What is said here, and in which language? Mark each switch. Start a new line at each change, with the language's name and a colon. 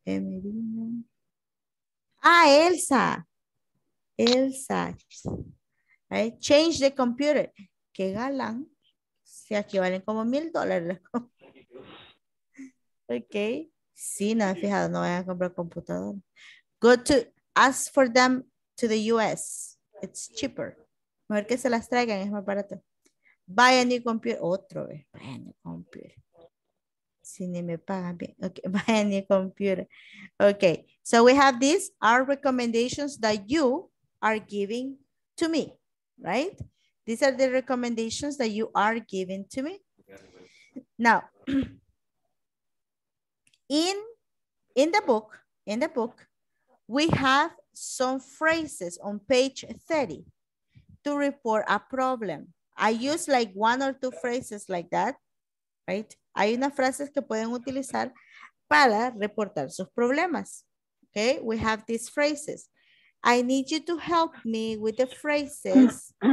English: Merino. Ah, Elsa. Elsa. Right? Change the computer.
Spanish: Qué galán. Sí, aquí valen como $1,000 las computadoras. Ok. Sí, no, he fijado, no voy a comprar computador.
English: Go to, ask for them to the US. It's cheaper.
Spanish: Mejor que se las traigan, es más barato.
English: Buy a new computer.
Spanish: Otro vez.
English: Buy a new computer.
Spanish: Si ni me pagan bien.
English: Okay. Buy a new computer. Okay. So we have these are recommendations that you are giving to me, right? These are the recommendations that you are giving to me. Now, in the book, we have some phrases on page 30 to report a problem. I use like one or two phrases like that, right?
Spanish: Hay unas frases que pueden utilizar para reportar sus problemas.
English: Okay, we have these phrases. I need you to help me with the phrases.